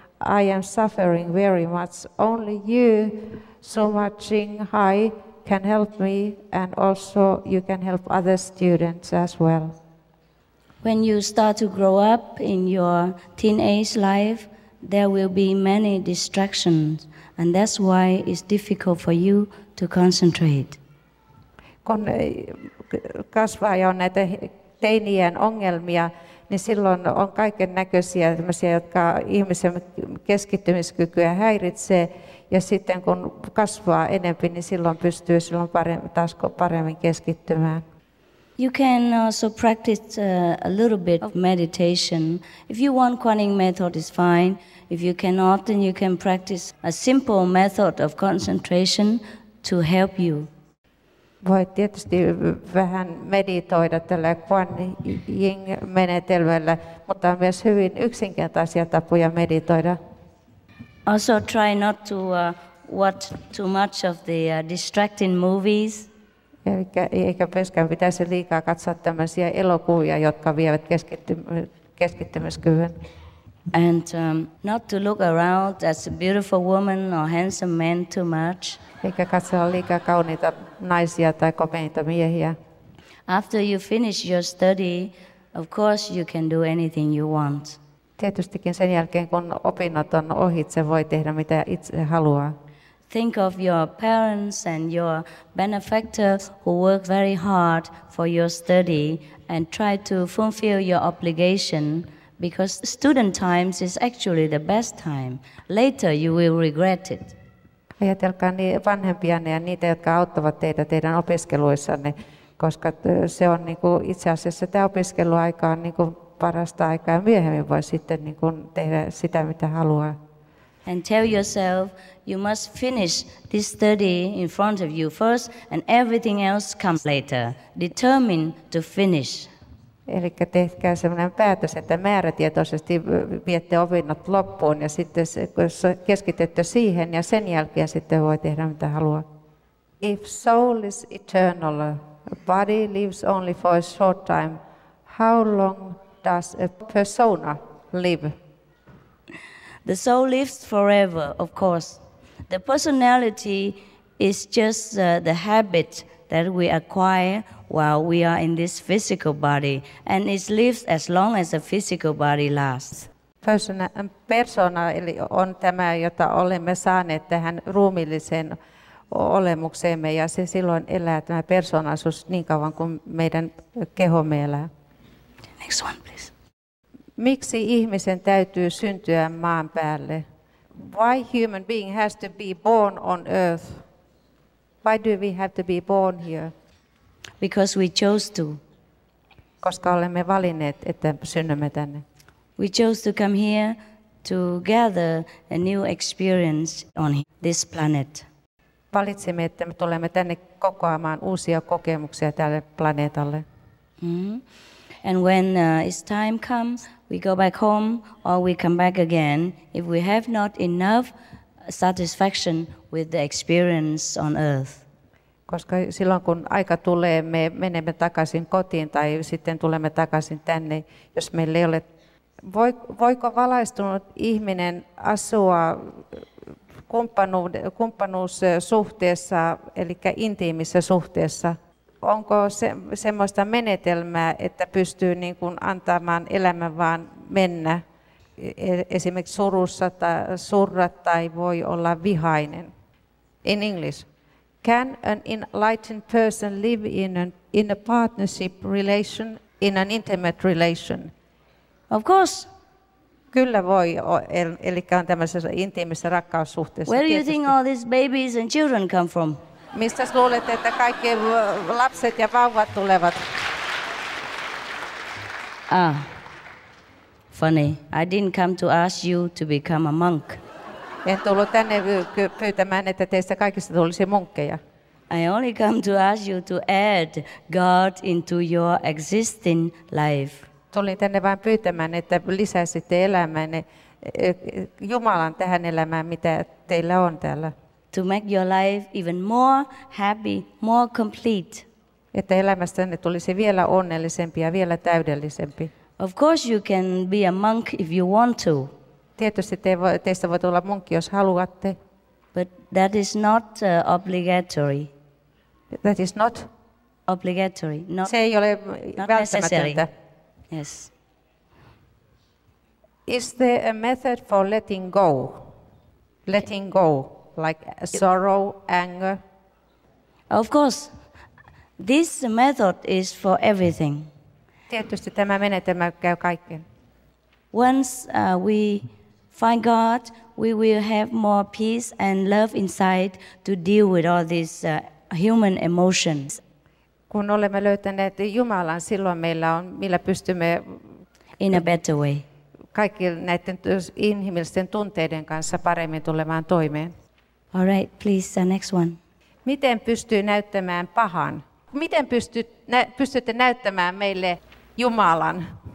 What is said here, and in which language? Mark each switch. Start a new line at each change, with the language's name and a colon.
English: I am suffering very much. Only you, so much Qinghai, can help me, and also you can help other students as well. When you start to grow up in your teenage life, there will be many distractions, and that's why it's difficult for you to concentrate.
Finnish: Kun kasvaa ja on näitä teinien ongelmia, niin silloin on kaiken näköisiä tämmöisiä, jotka ihmisen keskittymiskykyä häiritsee. Ja sitten kun kasvaa enemmän, niin silloin pystyy silloin paremmin keskittymään.
English: You can also practice a little bit of meditation. If you want Kuan Yin method, it's fine. If you cannot, then you can practice a simple method of concentration to help you.
Finnish: Voi tietysti vähän meditoida tällä Kuan Yin -menetelmällä, mutta on myös hyvin yksinkertaisia tapoja meditoida.
English: Also try not to watch too much of the distracting movies.
Finnish: Eikä myöskään pitäisi liikaa katsoa tämmöisiä elokuvia, jotka vievät keskittymiskyvyn.
English: And not to look around as a beautiful woman or handsome man too much.
Finnish: Eikä katsoa liikaa kauniita naisia tai komeita miehiä.
English: After you finish your study, of course you can do anything you want.
Finnish: Tietystikin sen jälkeen, kun opinnot on ohitse, voi tehdä mitä itse haluaa.
English: Think of your parents and your benefactor who work very hard for your study and try to fulfill your obligation, because student times is actually the best time. Later you will regret it.
Finnish: Ajatelkaa vanhempianne ja niitä, jotka auttavat teitä teidän opiskeluissanne, koska se on niin kuin itse asiassa tämä opiskeluaika on niin kuin parasta aikaa, myöhemmin voi sitten niin kuin tehdä sitä, mitä haluaa.
English: And tell yourself, you must finish this study in front of you first, and everything else comes later. Determine to finish.
Finnish: Eli tehkää sellainen päätös, että määrätietoisesti viette opinnot loppuun, ja sitten keskitytte siihen, ja sen jälkeen sitten voi tehdä, mitä haluaa.
English: If soul is eternal, body lives only for a short time, how long does a persona live? The soul lives forever, of course. The personality is just the habit that we acquire while we are in this physical body, and it lives as long as the physical body lasts.
Finnish: Persona eli on tämä, jota olemme saaneet tähän ruumiilliseen olemukseemme, ja se silloin elää tämä persoonallisuus niin kauan kuin meidän kehomme elää.
English: Next one, please.
Finnish: Miksi ihmisen täytyy syntyä maan päälle?
English: Why human being has to be born on earth? Why do we have to be born here? Because we chose to.
Finnish: Koska olemme valinneet, että synnymme tänne.
English: We chose to come here to gather a new experience on this planet.
Finnish: Valitsimme, että me tulemme tänne kokoamaan uusia kokemuksia tälle planeetalle.
English: Mm-hmm. And when its time comes, we go back home or we come back again, if we have not enough satisfaction with the experience on earth.
Finnish: Koska silloin kun aika tulee, me menemme takaisin kotiin tai sitten tulemme takaisin tänne, jos meillä ei ole. Voiko valaistunut ihminen asua kumppanuussuhteessa, eli intiimissä suhteessa? Onko semmoista menetelmää, että pystyy niin kuin antamaan elämän vaan mennä? Esimerkiksi surussa tai surra tai voi olla vihainen.
English: In English, can an enlightened person live in a partnership relation, in an intimate relation? Of course.
Finnish: Kyllä voi, eli on tämmöisessä intiimissä rakkaussuhteessa.
English: Where do you think all these babies and children come from?
Finnish: Mistä luulet, että kaikki lapset ja vauvat tulevat?
English: Ah. Funny, I didn't come to ask you to become a monk.
Finnish: En tullut tänne pyytämään, että teistä kaikista tulisi munkkeja.
English: I only come to ask you to add God into your existing life.
Finnish: Tulin tänne vain pyytämään, että lisäsitte elämäänne Jumalan tähän elämään, mitä teillä on täällä.
English: To make your life even more happy, more complete.
Finnish: Että elämästänne tulisi vielä onnellisempi ja vielä täydellisempi.
English: Of course you can be a monk if you want to.
Finnish: Tietysti teistä voi tulla munkki, jos haluatte.
English: But that is not obligatory. That is not obligatory. Not,
Finnish: se ei ole
English: not
Finnish: välttämätöntä.
English: Necessary. Yes. Is there a method for letting go? Letting go, like sorrow, anger? Of course. This method is for everything.
Finnish: Tietysti tämä menetelmä käy kaikkeen.
English: Once we find God, we will have more peace and love inside to deal with all these human emotions.
Finnish: Kun olemme löytäneet Jumalan, silloin meillä on, millä pystymme
English: in a better way.
Finnish: Kaikki näiden inhimillisten tunteiden kanssa paremmin tulemaan toimeen.
English: All right, please, the next one.
Finnish: Miten pystyy näyttämään pahan? Miten pystytte näyttämään meille Jumalan?